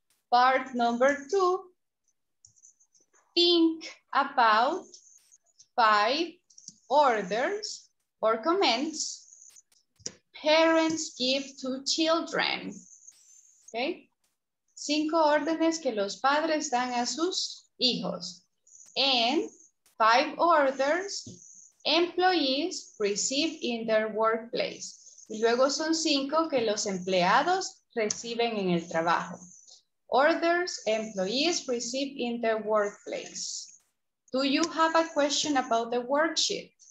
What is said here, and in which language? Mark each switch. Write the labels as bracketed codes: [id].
[en] Part number two, think about five orders or comments parents give to children, okay? [es] Cinco órdenes que los padres dan a sus hijos. [en] And five orders employees receive in their workplace. [es] Y luego son cinco que los empleados reciben en el trabajo. [en] Orders employees receive in their workplace. Do you have a question about the worksheet?